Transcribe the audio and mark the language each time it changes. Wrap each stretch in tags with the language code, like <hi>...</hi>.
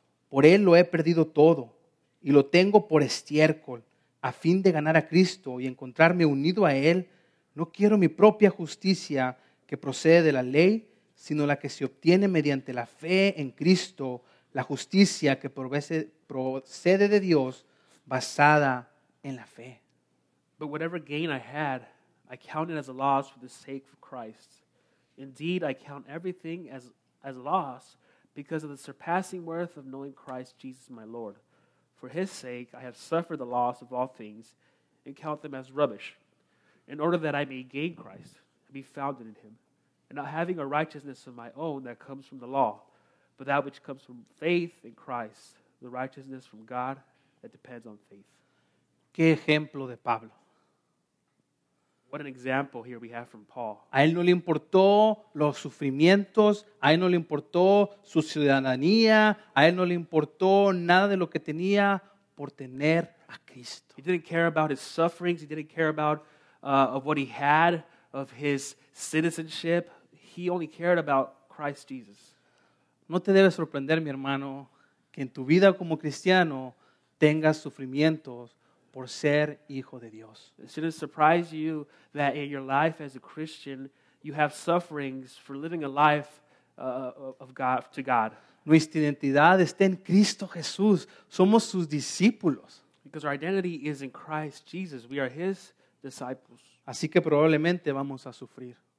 <es>Por Él lo he perdido todo y lo tengo por estiércol a fin de ganar a Cristo y encontrarme unido a Él, No quiero mi propia justicia que procede de la ley, sino la que se obtiene mediante la fe en Cristo, la justicia que procede de Dios basada en la fe.</es> <en>But whatever gain I had, I counted as a loss for the sake of Christ. Indeed, I count everything as loss because of the surpassing worth of knowing Christ Jesus my Lord. For his sake, I have suffered the loss of all things and count them as rubbish, in order that I may gain Christ and be found in him, and not having a righteousness of my own that comes from the law, but that which comes from faith in Christ, the righteousness from God that depends on faith.</en> <es>¿Qué ejemplo de Pablo?</es> <en>What an example here we have from Paul.</en> <es>A él no le importó los sufrimientos, a él no le importó su ciudadanía, a él no le importó nada de lo que tenía por tener a Cristo.</es> <en>He didn't care about his sufferings, he didn't care about of what he had, of his citizenship. He only cared about Christ Jesus.</en> <es>No te debes sorprender, mi hermano, que en tu vida como cristiano tengas sufrimientos por ser hijo de Dios.</es> <en>It shouldn't surprise you that in your life as a Christian, you have sufferings for living a life of God to God.</en> <es>Nuestra identidad está en Cristo Jesús. Somos sus discípulos.</es> <en>Because our identity is in Christ Jesus. We are his disciples.</en> <es>Así que probablemente vamos a sufrir.</es>